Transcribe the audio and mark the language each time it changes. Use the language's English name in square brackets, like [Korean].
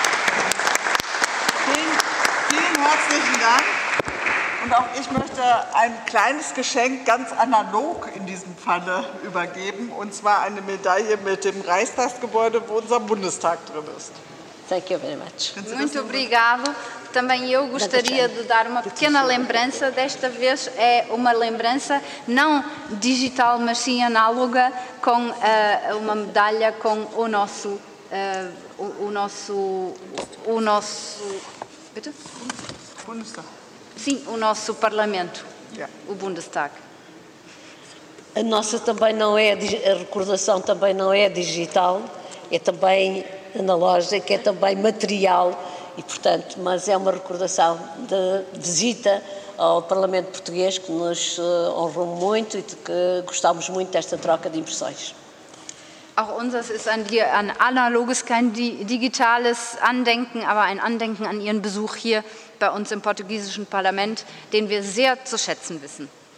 [German] Vielen, vielen herzlichen Dank. Und auch ich möchte ein kleines Geschenk ganz analog in diesem Falle übergeben, und zwar eine Medaille mit dem Reichstagsgebäude, wo unser Bundestag drin ist. [English] Thank you very much. [Portuguese] Muito obrigado. Também eu gostaria de dar uma pequena lembrança. Desta vez é uma lembrança não digital, mas sim análoga, com uma medalha com o nosso Parlamento, yeah. O Bundestag. A nossa também não é, a recordação também não é digital, é também analógica, é também material. E, portanto, mas é uma recordação de visita ao Parlamento Português que nos honrou muito e de que gostámos muito desta troca de impressões. [German] Auch unseres ist ein analoges, kein digitales Andenken, aber ein Andenken an Ihren Besuch hier bei uns im portugiesischen Parlament, den wir sehr zu schätzen wissen.